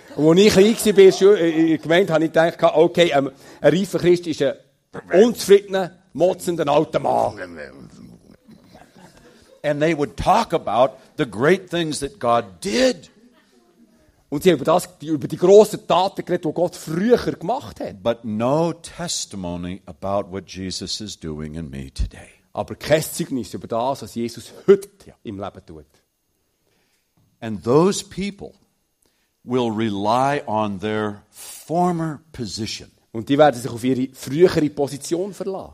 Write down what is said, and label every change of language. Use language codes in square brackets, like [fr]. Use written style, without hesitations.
[de] Als ich klein war in der Gemeinde, habe ich gedacht, okay, ein reifer Christ ist ein unzufriedener, motzender alter Mann. [en] And they would talk about the great things that God did. [de] Und sie haben über die grossen Taten geredet, die Gott früher gemacht hat. [en] But no testimony about what Jesus is doing in me today. [de] Aber kein Zeugnis über das, was Jesus heute im Leben tut. [en] And those people will rely on their former position. [de] Und die werden sich auf ihre frühere Position verlassen.